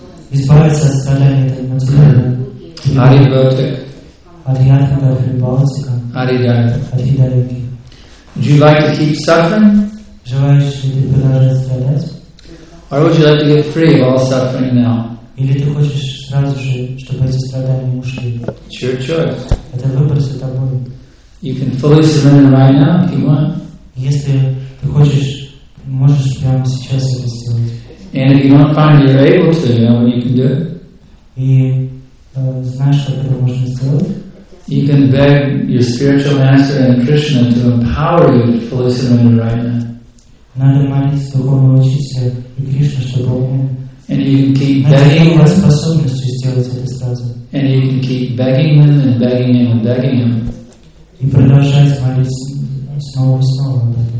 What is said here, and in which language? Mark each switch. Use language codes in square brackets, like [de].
[ru] избавиться от страданий этой материальной. [en] Ари-бхатика. Would you like to keep suffering? [ru] Желаешь ли ты продолжать страдать? [en] Or would you like to get free of all suffering now? [ru] Или ты хочешь сразу же, чтобы эти страдания ушли? [en] It's your choice. [ru] Это выбор за тобой. [en] You can fully surrender right now if you want. [ru] Если ты хочешь, можешь прямо сейчас это сделать. [en] And if you don't find you're able to, you know what you can do? [ru] И знаешь, как это можно сделать? [en] You can beg your spiritual master and Krishna to empower you to fully surrender right now. [ru] Надо молиться духовному учителю и Кришне, чтобы он [en] and you can keep begging [ru] его способностью сделать это сразу. [en] And you can keep begging him and begging him and begging him. [ru] И продолжать молиться снова и снова.